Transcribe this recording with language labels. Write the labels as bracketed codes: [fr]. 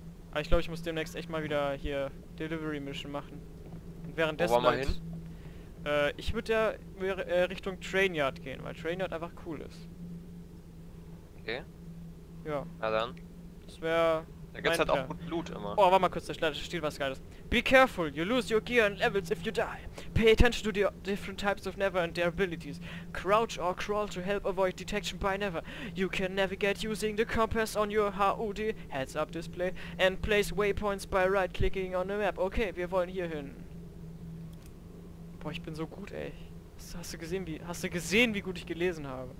[de] Aber ich glaube, ich muss demnächst echt mal wieder hier Delivery Mission machen. Und währenddessen. Wo wollen wir hin? Ich würde ja Richtung Trainyard gehen, weil Trainyard einfach cool ist. Okay. Ja. Na dann. Das wäre Da gibt's mein halt auch Plan. gut Loot immer. Oh, warte mal kurz, da steht was Geiles. [en] Be careful, you lose your gear and levels if you die. Pay attention to the different types of Never and their abilities. Crouch or crawl to help avoid detection by Never. You can navigate using the compass on your HUD, heads-up display, and place waypoints by right-clicking on the map. [de] Okay, wir wollen hier hin. Boah, ich bin so gut, ey. Hast du gesehen, wie gut ich gelesen habe?